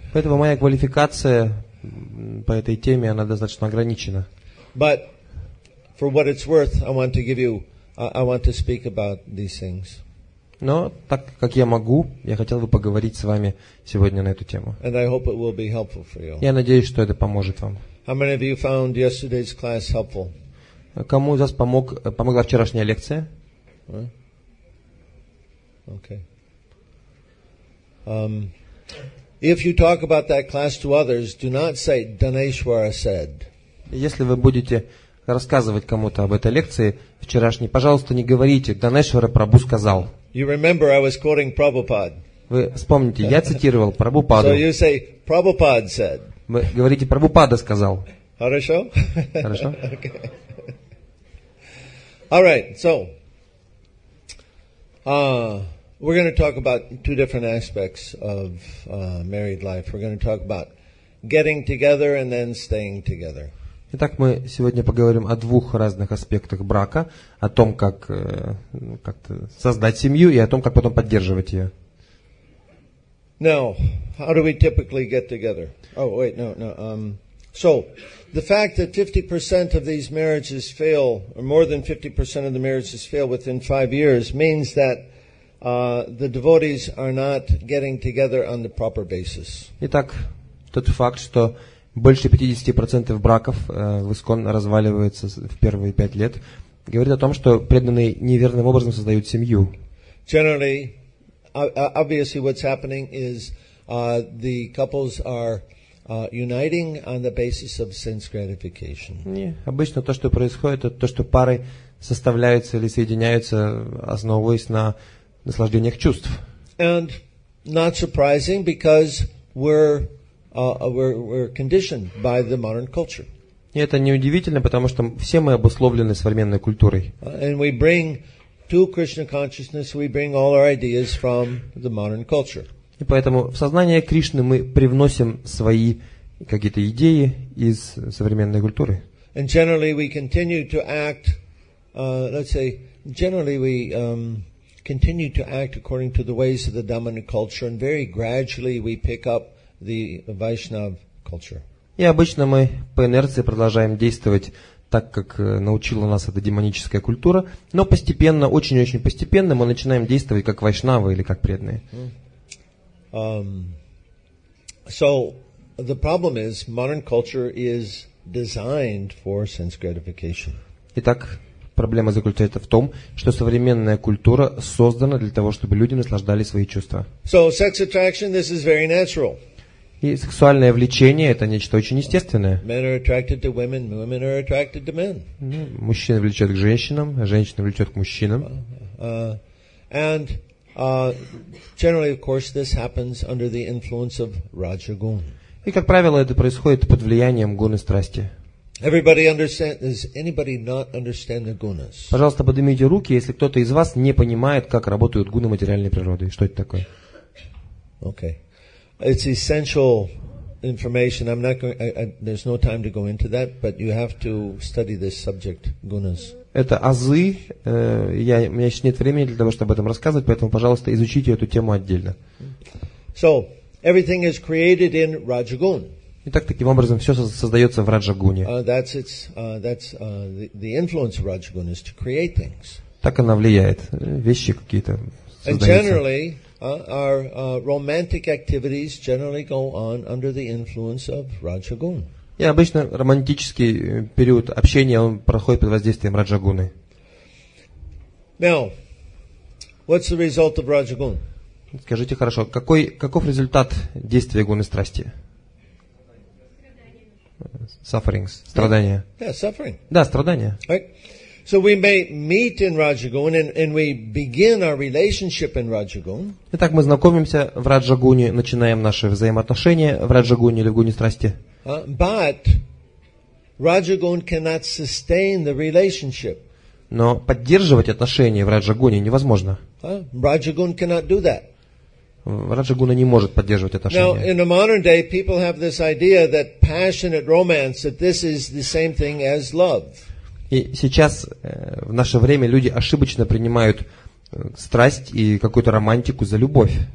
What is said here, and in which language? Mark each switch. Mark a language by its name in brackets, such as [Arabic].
[Russian] Поэтому моя квалификация по этой теме, она достаточно ограничена. [English] But, for what it's worth, I want to give you, I want to speak about these things. [Russian] Но так как я могу, я хотел бы поговорить с вами сегодня на эту тему. [English] And I hope it will be helpful for you. [Russian] Я надеюсь, что это поможет вам. [English] How many of you found yesterday's class helpful? [Russian] Кому из вас помогла вчерашняя лекция? [English] Okay. If you talk about that class to others, do not say Daneshwara said. [Russian] Если вы будете рассказывать кому-то об этой лекции вчерашней, пожалуйста, не говорите Данешвара Прабу сказал. [English] You remember I was quoting Prabhupada. [Russian] Вы вспомните, я цитировал Прабхупаду. [English] So you say Prabhupada said. [Russian] Вы говорите, Прабхупада сказал. Хорошо? Хорошо. [English] Okay. All right, so we're going to talk about 2 different aspects of married life. We're going to talk about getting together and then staying together. [Russian] Итак, мы сегодня поговорим о 2 разных аспектах брака, о том, как как-то создать семью и о том, как потом поддерживать ее. [English] Now, How do we typically get together? Oh, wait, no, no. So, the fact that 50% of these marriages fail, or more than 50% of the marriages fail within 5 years, means that the devotees are not getting together on the proper basis. [Russian] Итак, тот факт, что больше 50% браков в ИСККОН разваливается в первые 5 лет, говорит о том, что преданные неверным образом создают семью. [English] Generally, obviously what's happening is the couples are uniting on the basis of sense gratification. [Russian] Обычно то, что происходит, это то, что пары составляются или соединяются, основываясь на наслаждениях чувств. [English] And not surprising, because we're conditioned by the modern culture. [Russian] И это не удивительно, потому что все мы обусловлены современной культурой. [English] And we bring to Krishna consciousness, we bring all our ideas from the modern culture. [Russian] И поэтому в сознание Кришны мы привносим свои какие-то идеи из современной культуры. [English] And generally we continue to act, continue to act according to the ways of the dominant culture, and very gradually we pick up the Vaishnav culture. [Russian] И обычно мы по инерции продолжаем действовать так, как научила нас эта демоническая культура, но постепенно, очень-очень постепенно, мы начинаем действовать как вайшнавы или как преданные. [English] So the problem is modern culture is designed for sense gratification. [Russian] Итак, проблема заключается в том, что современная культура создана для того, чтобы люди наслаждались свои чувства. [English] So sex attraction, this is very natural. [Russian] И сексуальное влечение – это нечто очень естественное. [English] Men are attracted to women, women are attracted to men. [Russian] Мужчины влечет к женщинам, а женщины влечет к мужчинам. [English] Generally, of course, this happens under the influence of Rajagun. [Russian] И, как правило, это происходит под влиянием гуны страсти. [English] Everybody understand? Does anybody not understand the gunas? [Russian] Пожалуйста, поднимите руки, если кто-то из вас не понимает, как работают гуны материальной природы. Что это такое? [English] Okay. It's essential information. I'm not going. There's no time to go into that. But you have to study this subject, gunas. [Russian] Это азы. У меня сейчас нет времени для того, чтобы об этом рассказывать, поэтому, пожалуйста, изучите эту тему отдельно. [English] So everything is created in Rajagun. [Russian] Итак, таким образом все создается в Раджагуне. [English] That's the influence of Rajagun is to create things. [Russian] Так она влияет. Вещи какие-то создаются. [English] And generally, our romantic activities generally go on under the influence of Rajagun. [Russian] И обычно романтический период общения он проходит под воздействием Раджагуны. [English] Now, what's the result of Rajagun? [Russian] Скажите хорошо, каков результат действия гуны страсти? [English] Sufferings, [Russian] страдания. [English] Yeah, suffering. [Russian] Да, страдания. [English] Right. So we may meet in Rajagun and we begin our relationship in Rajagun. [Russian] Итак, мы знакомимся в Раджагуне, начинаем наши взаимоотношения в Раджагуне или в гуне страсти. [English] But Rajagun cannot sustain the relationship. [Russian] Но поддерживать отношения в Раджагуне невозможно. [English] Rajagun cannot do that. [Russian] Раджагуна не может поддерживать отношения. [English] Now, in the modern day, people have this idea that passionate romance, that this is the same thing as love. [Russian] И сейчас, в наше время, люди ошибочно принимают страсть и какую-то романтику за любовь.